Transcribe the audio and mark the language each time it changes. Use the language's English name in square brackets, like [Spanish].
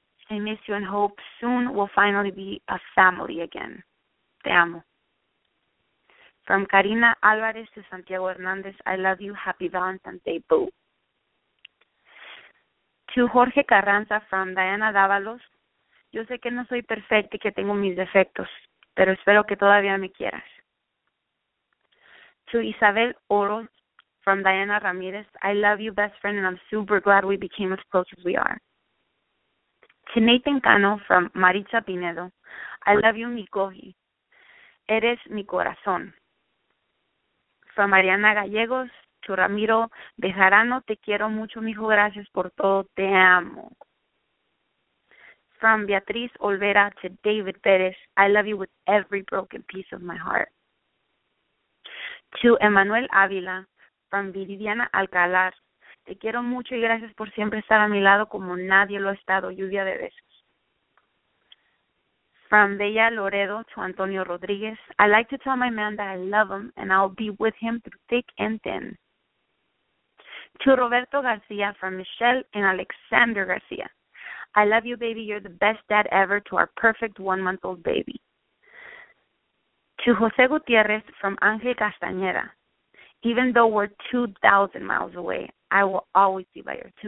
[English] I miss you and hope soon we'll finally be a family again. [Spanish] Te amo. [English] From Karina Alvarez to Santiago Hernandez, I love you. Happy Valentine's Day, boo. To Jorge Carranza from Diana Dávalos, [Spanish] yo sé que no soy perfecta y que tengo mis defectos, pero espero que todavía me quieras. [English] To Isabel Oro from Diana Ramirez, I love you, best friend, and I'm super glad we became as close as we are. To Nathan Cano from Maritza Pinedo, I love you, [Spanish] mi coji. Eres mi corazón. [English] From Mariana Gallegos to Ramiro Bejarano, [Spanish] te quiero mucho, mijo. Gracias por todo. Te amo. [English] From Beatriz Olvera to David Perez, I love you with every broken piece of my heart. To Emmanuel Avila from Viridiana Alcalá, [Spanish] te quiero mucho y gracias por siempre estar a mi lado como nadie lo ha estado, lluvia de besos. [English] From Bella Loredo to Antonio Rodriguez, I like to tell my man that I love him and I'll be with him through thick and thin. To Roberto Garcia from Michelle and Alexander Garcia, I love you, baby. You're the best dad ever to our perfect one-month-old baby. To Jose Gutierrez from Angel Castañeda, even though we're 2,000 miles away, I will always be by you.